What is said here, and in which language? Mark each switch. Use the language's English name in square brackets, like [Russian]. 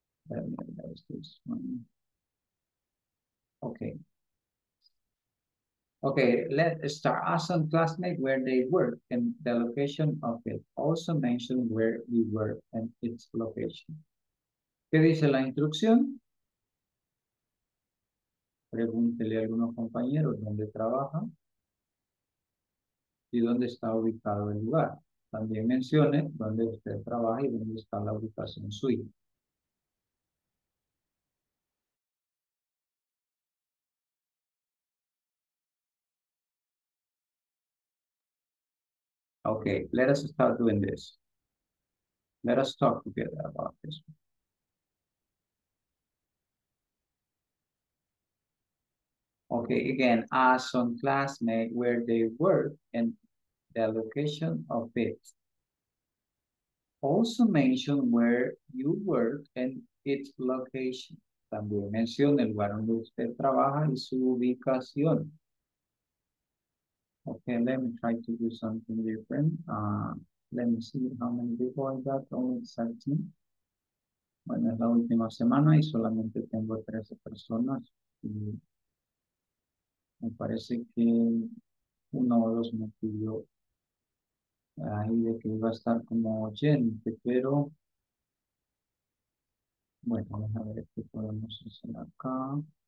[English] Let me erase this one. Okay. Okay, let's start. Ask some classmates where they work and the location of it. Also mention where we work and its location. [Spanish] ¿Qué dice la instrucción? Pregúntele a algunos compañeros dónde trabaja y dónde está ubicado el lugar. También mencione dónde usted trabaja y dónde está la ubicación suya. [English] Okay, let us start doing this. Let us talk together about this. Okay, again, ask some classmates where they work and the location of it. Also mention where you work and its location. [Spanish] También mencione el lugar donde usted trabaja y su ubicación. [English] Okay, let me try to do something different. Let me see how many people I got, only 17. [Spanish] Bueno, es la última semana y solamente tengo 13 personas. Y me parece que uno o dos me pidió ahí de que iba a estar como oyente, pero bueno, vamos a ver qué podemos hacer acá.